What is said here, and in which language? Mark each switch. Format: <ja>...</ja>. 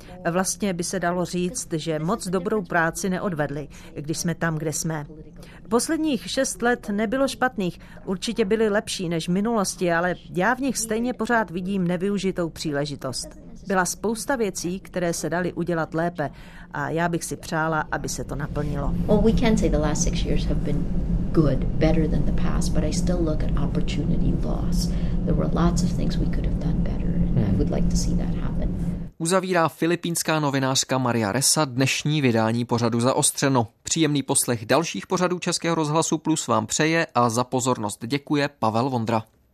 <cs>Vlastně by se dalo říct, že moc dobrou práci neodvedli, když jsme tam, kde jsme. Posledních 6 let nebylo špatných, určitě byly lepší než v minulosti, ale já v nich stejně pořád vidím nevyužitou příležitost. Byla spousta věcí, které se daly udělat lépe a já bych si přála, aby se to naplnilo.</cs> <en>Well, we can say the last 6 years have been good, better than the past, but I still look at opportunity loss. There were lots of things we could have done better and I would like to see that happen.</en> <cs>Uzavírá filipínská novinářka Maria Ressa dnešní vydání pořadu Zaostřeno. Příjemný poslech dalších pořadů Českého rozhlasu Plus vám přeje a za pozornost děkuje Pavel Vondra.</cs>